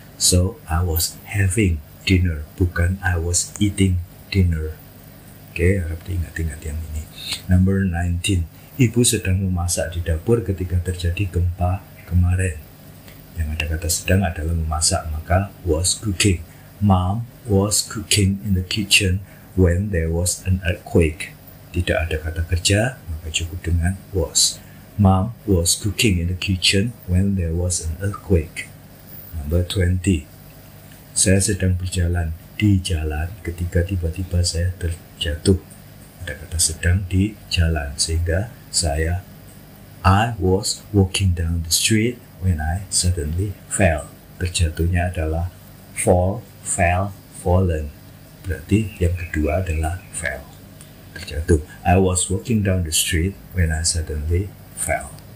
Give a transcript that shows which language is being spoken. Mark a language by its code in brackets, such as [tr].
[en] So, I was having dinner, bukan I was eating dinner. [id] Oke, harap diingat-ingat yang ini. [en] Number 19. [id] Ibu sedang memasak di dapur ketika terjadi gempa kemarin. Yang ada kata sedang adalah memasak, maka [en] was cooking. Mom was cooking in the kitchen when there was an earthquake. [id] Tidak ada kata kerja, maka cukup dengan was. [en] Mom was cooking in the kitchen when there was an earthquake. Number 20. [id] Saya sedang berjalan di jalan ketika tiba-tiba saya terjatuh. Ada kata sedang di jalan sehingga saya [en] I was walking down the street when I suddenly fell. [id] Terjatuhnya adalah [en] fall, fell, fallen. [id] Berarti yang kedua adalah fell. Terjatuh. [en] I was walking down the street when I suddenly fell.